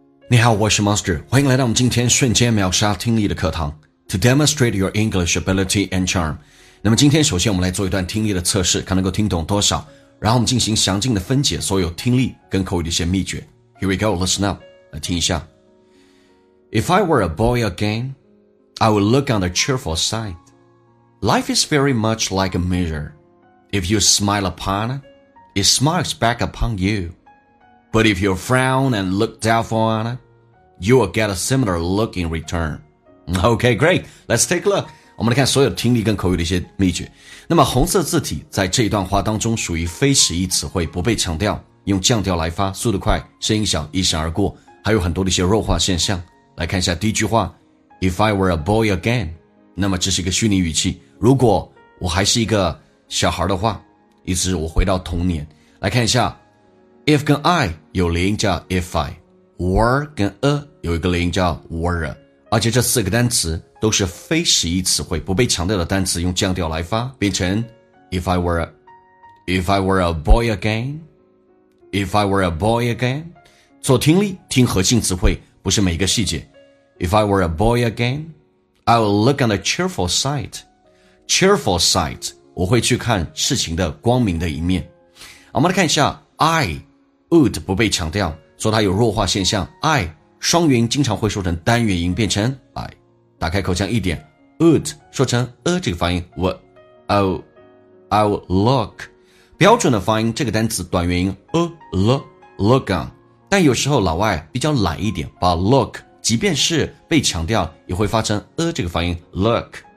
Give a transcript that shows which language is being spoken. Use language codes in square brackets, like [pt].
[zh] 你好，我是 Monster， 欢迎来到我们今天瞬间秒杀听力的课堂 To demonstrate your English ability and charm。那么今天首先我们来做一段听力的测试，看能够听懂多少，然后我们进行详尽的分解所有听力跟口语的一些秘诀。 [en] Here we go, listen up, 来听一下。 If I were a boy again, I would look on the cheerful side. Life is very much like a mirror. If you smile upon it, it smiles back upon you. But if you frown and look doubtful on it, you will get a similar look in return. Okay, great. Let's take a look. [zh] 我们来看所有听力跟口语的一些秘诀。那么红色字体在这一段话当中属于非实义词汇，不被强调，用降调来发，速度快，声音小，一闪而过，还有很多的一些弱化现象。来看一下第一句话， If I were a boy again, 那么这是一个虚拟语气，如果我还是一个小孩的话，意思是我回到童年。来看一下If 跟 I 有连音叫 if I, were 跟 a 有一个连音叫 were, 而且这四个单词都是非实义词汇，不被强调的单词用降调来发，变成 if I were a boy again, if I were a boy again, 做听力听核心词汇，不是每一个细节。 [en] If I were a boy again, I would look on the cheerful side, cheerful side, 我会去看事情的光明的一面。 [zh] 我们来看一下 I,would 不被强调，说它有弱化现象。 I 双元音经常会说成单元音，变成 I。打开口腔一点 ，would 说成 a 这个发音。 I would look 标准的发音，这个单词短元音 a look look on。但有时候老外比较懒一点，把 look 即便是被强调，也会发成 a 这个发音 look。